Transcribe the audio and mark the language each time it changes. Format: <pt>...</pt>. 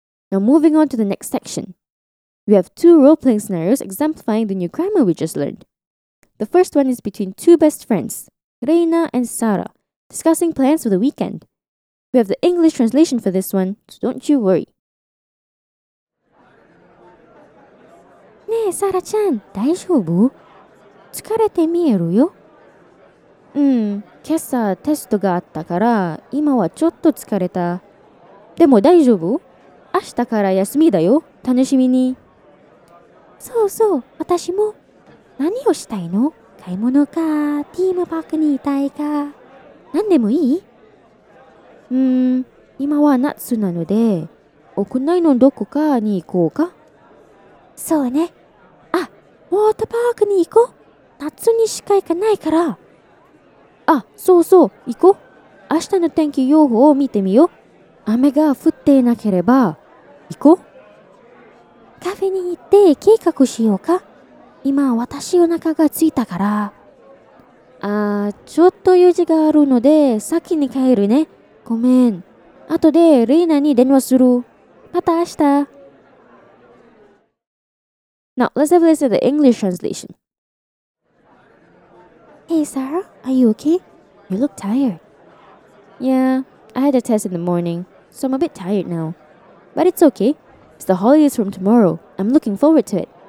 <en>Now moving on to the next section. We have two role-playing scenarios exemplifying the new grammar we just learned. The first one is between two best friends, Reina and Sara, discussing plans for the weekend. We have the English translation for this one, so don't you worry.</en> <ja>ねえ、サラちゃん、大丈夫? 疲れて見えるよ。うん、今朝テストがあったから、今はちょっと疲れた。でも大丈夫? 明日から休みだよ、楽しみに。そうそう、私も。何をしたいの? 買い物か、ティームパークにいたいか。何でもいい? 今は夏なので、屋内のどこかに行こうか。そうね。あ、ウォーターパークに行こう。夏にしか行かないから。あ、そうそう、行こう。明日の天気予報を見てみよう。雨が降っていなければ、行こう。カフェに行って計画しようか。今私お腹が空いたから。あ、ちょっと用事があるので先に帰るね。ごめん。後でレイナに電話する。また明日。</ja> <en>Now, let's have a listen to the English translation. Hey, Sara, are you okay? You look tired. Yeah, I had a test in the morning, so I'm a bit tired now. But it's okay. It's the holidays from tomorrow. I'm looking forward to it.</en>